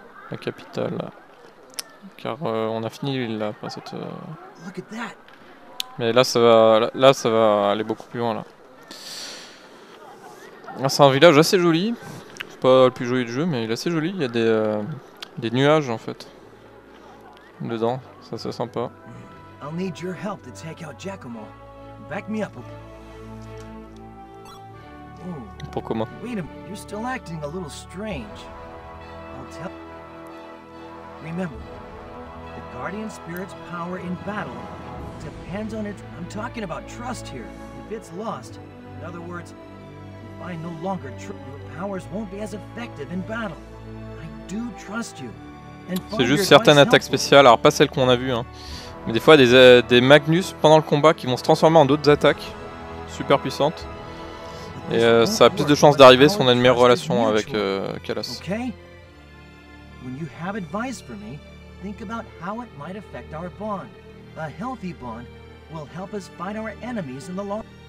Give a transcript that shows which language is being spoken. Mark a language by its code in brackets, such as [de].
[fr] La capitale. Car on a fini l'île là, après cette. [en] Look at that. [fr] Mais là ça va aller beaucoup plus loin là. C'est un village assez joli. C'est pas le plus joli du jeu mais il est assez joli. Il y a des nuages en fait. Dedans, ça c'est sympa. [en] I'll need your help to take out Giacomo. Back me up. [fr] Pour comment? [en] Wait a minute, you're still acting a little strange. I'll tell. Remember, the guardian spirit's power in battle. Depends on it. I'm talking about trust here. If it's lost, in other words, if I no longer trust, your powers won't be as effective in battle. I do trust you. [fr] C'est juste certaines attaques spéciales, alors pas celles qu'on a vues, hein. Mais des fois des Magnus pendant le combat qui vont se transformer en d'autres attaques super puissantes. Et ça a plus de chances d'arriver si on a une meilleure relation avec Kalas. [en] Okay. When you have advice for me, think about how it might affect our bond. A healthy bond will help us fight our enemies in the long.